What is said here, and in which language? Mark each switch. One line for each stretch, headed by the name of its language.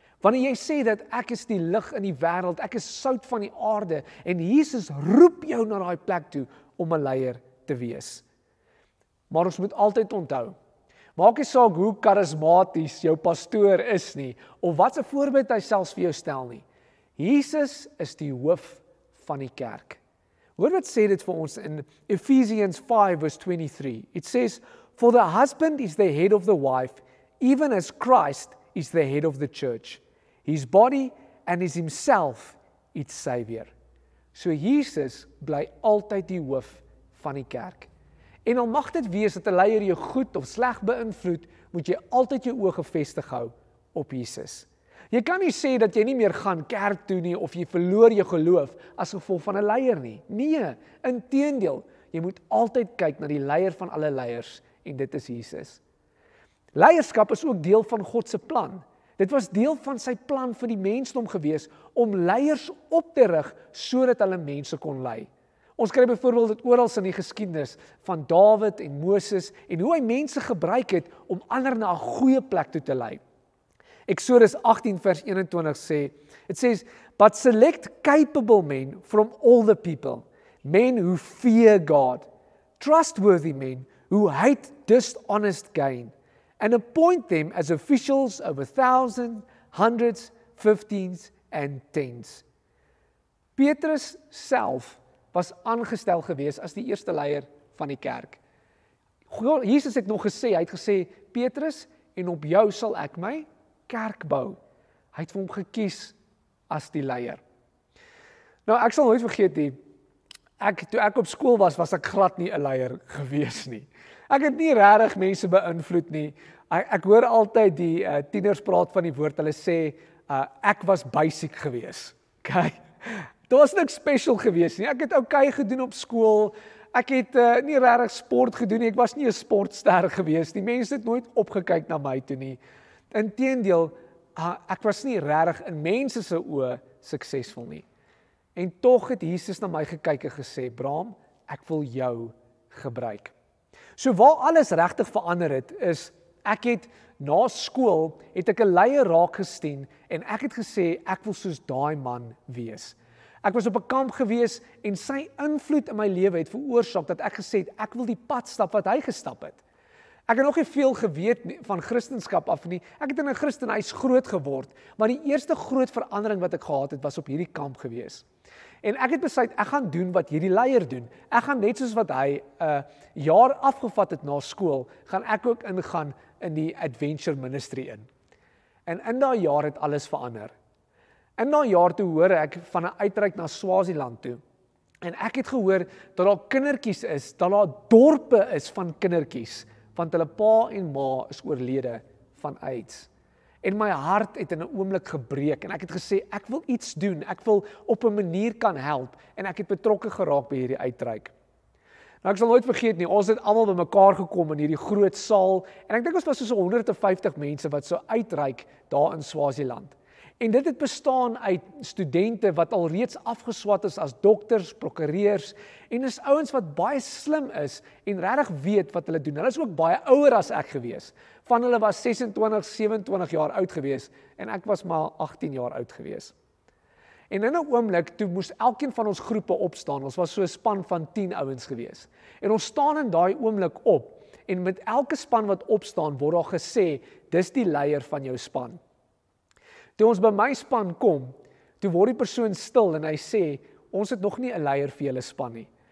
Afrikaans: Wanneer jy sê dat ek is die lig in die wêreld, ek is sout van die aarde en Jesus roep jou na daai plek toe om 'n leier te wees. Maar ons moet altyd onthou, maak nie saak hoe karismaties jou pastoor is nie of wat 'n voorbeeld hy selfs vir jou stel nie. Jesus is die hoof van die kerk. Hoor wat sê dit vir ons in Ephesians 5 verse 23.
English: It says, for the husband is the head of the wife, even as Christ is the head of the church, his body and is himself its savior.
Afrikaans: So Jesus bly altyd die hoof van die kerk. En al mag dit wees dat 'n leier jou goed of sleg beïnvloed, moet jy altyd jou oë gefestig hou op Jesus. Jy kan nie sê dat jy nie meer gaan kerk toe nie of jy verloor jou geloof as gevolg van 'n leier nie. Nee, inteendeel, jy moet altyd kyk na die leier van alle leiers en dit is Jesus. Leierskap is ook deel van God se plan. Dit was deel van sy plan vir die mensdom gewees om leiers op te rig sodat hulle mense kon lei. Ons kry byvoorbeeld dit oral in die geskiedenis van Dawid en Moses en hoe hy mense gebruik het om ander na 'n goeie plek toe te lei. Exodus 18 vers 21 sê,
English: it says, but select capable men from all the people, men who fear God, trustworthy men who hate dishonest gain, and appoint them as officials over thousands, hundreds, fifteens and tens.
Afrikaans: Petrus self was aangestel gewees as die eerste leier van die kerk. Jesus het nog gesê, hy het gesê, Petrus, en op jou sal ek my kerk bou. Hy het vir hom gekies as die leier. Nou, ek sal nooit vergeet nie, toe ek op skool was, was ek glad nie 'n leier gewees nie. Ek het nie regtig mense beïnvloed nie. Ek hoor altyd die tieners praat van die woord, hulle sê, ek was basic gewees. Okay? Daar was niks special gewees nie. Ek het okay gedoen op skool, ek het nie regtig sport gedoen nie, ek was nie 'n sportster gewees nie. Mense het nooit opgekyk na my toe nie. Inteendeel, ek was nie regtig in mense se oë suksesvol nie. En tog het Jesus na my gekyk en gesê, Bram, ek wil jou gebruik. So waar alles regtig verander het, is ek het na skool, het ek 'n leier raak gesien en ek het gesê, ek wil soos daai man wees. Ek was op 'n kamp gewees en sy invloed in my lewe het veroorsaak dat ek gesê het, ek wil die pad stap wat hy gestap het. Ek het nog nie veel geweet van Christendom af nie. Ek het in 'n Christenhuis groot geword, maar die eerste groot verandering wat ek gehad het, was op hierdie kamp gewees. En ek het besluit, ek gaan doen wat hierdie leier doen. Ek gaan net soos wat hy 'n jaar afgevat het na skool, gaan ek ook ingaan in die adventure ministry in. En in daai jaar het alles verander. In daai jaar toe hoor ek van 'n uitreik na Swaziland toe. En ek het gehoor dat daar kindertjies is, dat daar dorpe is van kindertjies, want hulle pa en ma is oorlede van AIDS. En my hart het in 'n oomblik gebreek en ek het gesê, ek wil iets doen, ek wil op 'n manier kan help en ek het betrokke geraak by hierdie uitreik. Nou ek sal nooit vergeet nie, ons het almal by mekaar gekom in hierdie groot saal en ek dink ons was soos 150 mense wat so uitreik daar in Swaziland. En dit het bestaan uit studente wat alreeds afgeswat is as dokters, prokureurs en is ouens wat baie slim is en regtig weet wat hulle doen. Hulle is ook baie ouer as ek gewees. Van hulle was 26, 27 jaar oud gewees en ek was maar 18 jaar oud gewees. En in 'n oomblik toe moes elkeen van ons groepe opstaan. Ons was so 'n span van 10 ouens gewees. En ons staan in daai oomblik op en met elke span wat opstaan word daar gesê, dis die leier van jou span. Toe ons by my span kom, toe word die persoon stil en hy sê, ons het nog nie 'n leier vir julle span nie.